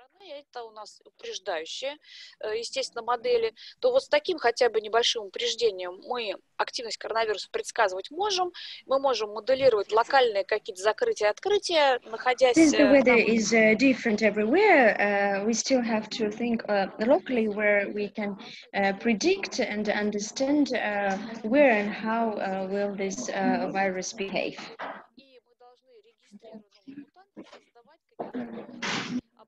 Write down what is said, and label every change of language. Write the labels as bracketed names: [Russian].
[Russian] Это у нас упреждающие, естественно, модели, то вот с таким хотя бы небольшим упреждением мы активность коронавируса предсказывать можем. Мы можем моделировать локальные какие-то закрытия и открытия, находясь... [English] Since the weather is different everywhere, we still have to think locally where we can predict and understand where and how will this virus behave. [Russian] И мы должны регистрировать мутанты,